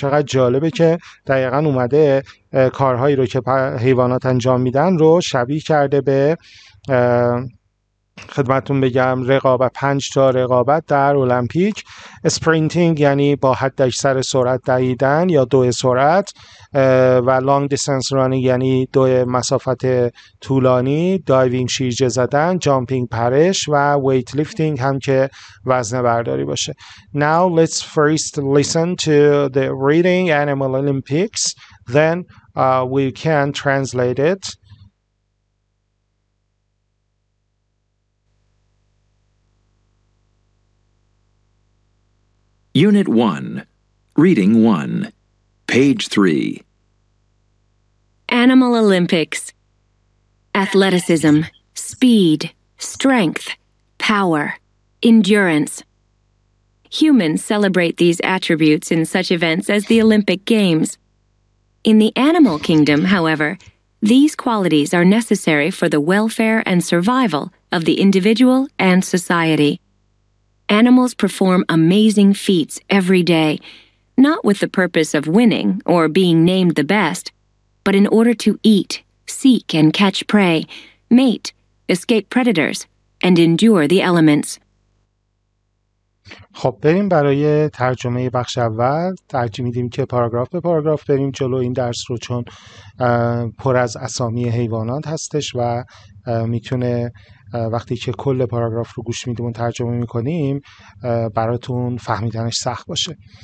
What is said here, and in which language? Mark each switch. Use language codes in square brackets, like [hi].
[fa] چقدر جالبه که دقیقاً اومده کارهایی رو که حیوانات انجام میدن رو شبیه کرده به خدمتون بگم رقابت، 5 تا رقابت در المپیک. اسپرینتینگ یعنی با حد اکثر سرعت دویدن یا دو سرعت، و لانگ دیستنس رانینگ یعنی دو مسافت طولانی، دایوینگ شیرجه زدن، جامپینگ پرش، و ویت لیفتینگ هم که وزنه برداری باشه. [en] Now let's first listen to the reading Animal Olympics, then we can translate it. Unit 1, Reading 1, Page 3. Animal Olympics. Athleticism, speed, strength, power, endurance. Humans celebrate these attributes in such events as the Olympic Games. In the animal kingdom, however, these qualities are necessary for the welfare and survival of the individual and society. Animals perform amazing feats every day, not with the purpose of winning or being named the best, but in order to eat, seek and catch prey, mate, escape predators, and endure the elements. [fa] خب بریم برای ترجمه بخش اول ترجمه میدیم که پاراگراف به پاراگراف بریم جلو این درس رو، چون پر از اسامی حیوانات هستش و میتونه وقتی که کل پاراگراف رو گوش میدیم و ترجمه میکنیم براتون فهمیدنش سخت باشه.